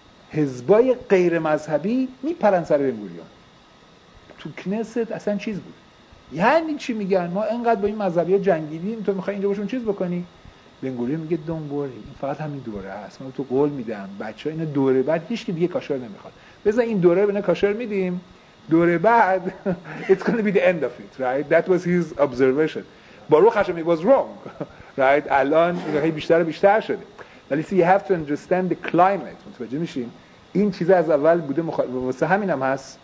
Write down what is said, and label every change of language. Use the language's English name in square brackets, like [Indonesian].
[Persian] حزبای غیر مذهبی میپرن سر بن گوریون تو کنست، اصلا چیز بود، یعنی چی میگن ما انقدر با این مذهبی ها جنگیدیم تو میخوای اینجا باشون چیز بکنی؟ بنگولیون میگه دونبوری، این فقط همین دوره هست، من تو قول میدم بچه‌ها اینا دوره بعد هیچ کی دیگه کاشر نمیخواد، بذار این دوره بنا کاشر میدیم، دوره بعد [English] it's gonna be the end of it, right? That was his observation. Baruch Hashem, it was wrong, right? [Persian] الان هی بیشتر و بیشتر شده. ولی [English] you have to understand the climate. [Persian] متوجه میشین؟ این چیز از اول بوده واسه همین هم هست.